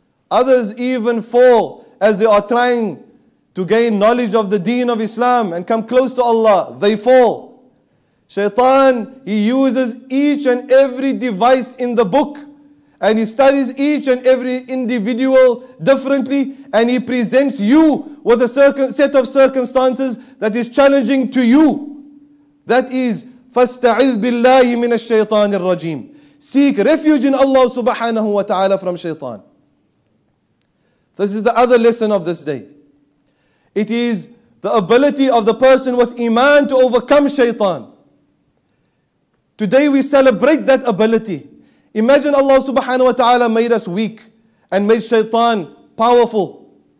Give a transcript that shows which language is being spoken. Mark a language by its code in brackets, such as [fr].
[en] Others even fall as they are trying to gain knowledge of the deen of Islam and come close to Allah. They fall. Shaitan, he uses each and every device in the book and he studies each and every individual differently and he presents you with a set of circumstances that is challenging to you. That is, [ar] فَاسْتَعِذْ بِاللَّهِ مِنَ الشَّيْطَانِ الرَّجِيمِ. [en] Seek refuge in Allah subhanahu wa ta'ala from shaitan. This is the other lesson of this day. It is the ability of the person with iman to overcome shaitan. Today we celebrate that ability. Imagine Allah subhanahu wa ta'ala made us weak and made shaitan powerful.